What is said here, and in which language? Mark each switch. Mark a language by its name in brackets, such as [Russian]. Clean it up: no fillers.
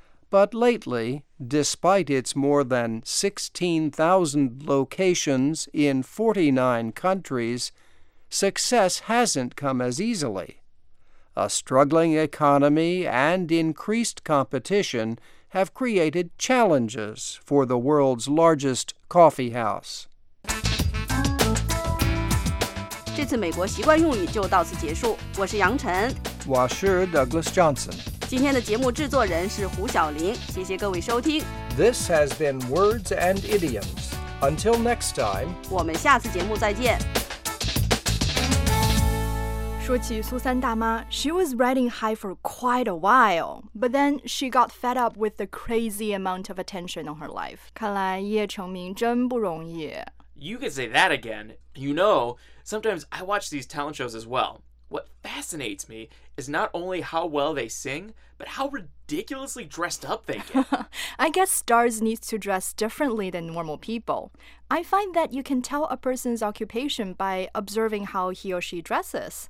[English] But lately, despite its more than 16,000 locations in 49 countries, success hasn't come as easily. A struggling economy and increased competition have created challenges for the world's largest coffee house. [Chinese] 这次美国习惯用语就到此结束。我是杨晨，我是 Douglas Johnson。今天的节目制作人是胡晓玲，谢谢各位收听。 [English] This has been Words and Idioms. Until next time, [Chinese] 我们下次节目再见。说起苏三大妈, [English] she was riding high for quite a while, but then she got fed up with the crazy amount of attention on her life. [Chinese] 看来一夜成名真不容易。 [English] You could say that again. You know, sometimes I watch these talent shows as well. What fascinates me is not only how well they sing, but how ridiculously dressed up they get. I guess stars need to dress differently than normal people. I find that you can tell a person's occupation by observing how he or she dresses.